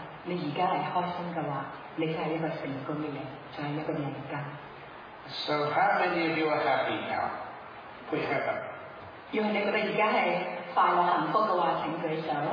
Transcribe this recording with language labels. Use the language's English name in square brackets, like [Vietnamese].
[Cantonese] 你而家係開心嘅話，你就係一個成功嘅人，就係一個贏家。 [English] So how many of you are happy now? Put your hand up. [Cantonese] 如果你覺得而家係快樂幸福嘅話，請舉手。